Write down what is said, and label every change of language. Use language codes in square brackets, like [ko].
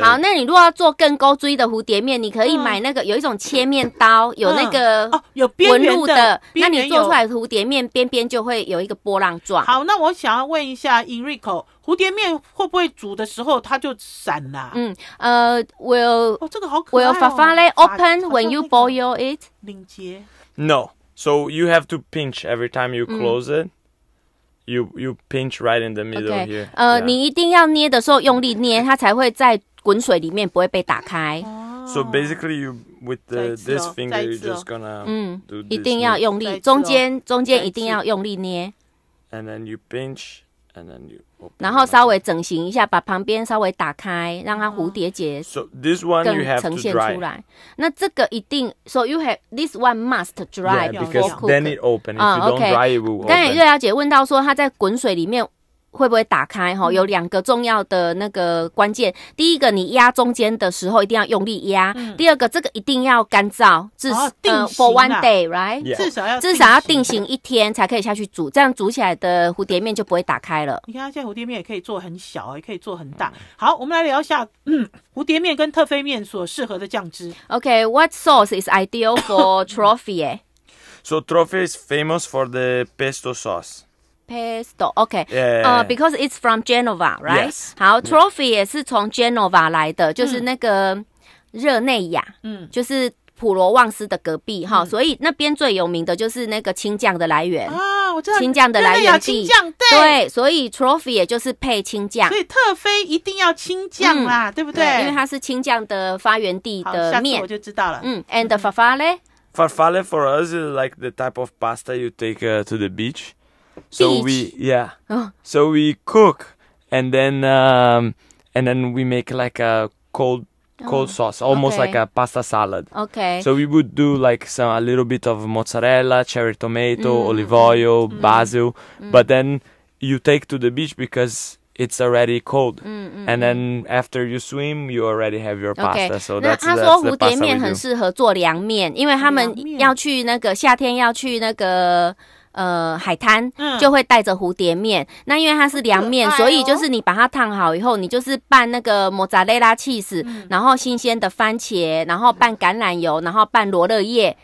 [zh] 好，那你如果要做更高锥的蝴蝶面，你可以买那个有一种切面刀，有那个有纹路的。那你做出来的蝴蝶面边边就会有一个波浪状。好，那我想要问一下 Enrico。蝴蝶面会不会煮的时候它就散啦、啊、 [en] will、 [zh] 这个好可爱哦、 [en] will farfalle open when you boil it? [zh] 领结 [en] No, so you have to pinch every time you close it. You pinch right in the middle okay, here. [zh] 你一定要捏的时候用力捏，它才会在滚水里面不会被打开。 [en] So basically, you with the, this finger, you're just gonna do this. [zh] 一定要用力，中间一定要用力捏。 [en] And then you pinch, and then you... [zh] 然后稍微整形一下，把旁边稍微打开，让它蝴蝶结更呈现出来。那这个一定 [en] ，so you have this one must dry before cook. Yeah, because then it open. If you don't dry, it will open. [zh] 刚才月瑶姐问到说，它在滚水里面会不会打开？哈，有两个重要的那个关键。第一个，你压中间的时候一定要用力压。第二个，这个一定要干燥，至定型 [en] for one day, right? [zh] 至少要定型一天才可以下去煮，这样煮起来的蝴蝶面就不会打开了。你看，现在蝴蝶面也可以做很小，也可以做很大。好，我们来聊一下蝴蝶面跟特飞面所适合的酱汁。 [en] Okay, what sauce is ideal for trophy? So trophy is famous for the pesto sauce. Pesto, okay. Yeah, yeah, yeah. Because it's from Genova, right? Yes. [zh] 好 ,Trophy 也是从 Genova 来的，就是那个热内亚，就是普罗旺斯的隔壁、嗯、所以那边最有名的就是那个青酱的来源、啊、我知道青酱的来源地，对，所以 trophy 也就是配青酱，所以特飞一定要青酱啦、嗯、对不对？因为它是青酱的发源地的面，下次我就知道了、 [en] 嗯、and the farfalle farfalle for us is like the type of pasta you take、to the beach. So we yeah、哦、so we cook and then、and then we make like a cold sauce, almost、okay. like a pasta salad. Okay. So we would do like a little bit of mozzarella, cherry tomato,、mm. olive oil,、mm. basil,、mm. but then you take to the beach because it's already cold.、 Mm-hmm. And then after you swim, you already have your pasta.、 Okay. So that's the pasta [zh] we do. 那他说蝴蝶面很适合做凉面，因为他们要去那个夏天要去那个海滩、嗯、就会带着蝴蝶面，那因为它是凉面、哦、所以就是你把它烫好以后，你就是拌那个莫扎雷拉 cheese、嗯、然后新鲜的番茄，然后拌橄榄油，然后拌罗勒叶、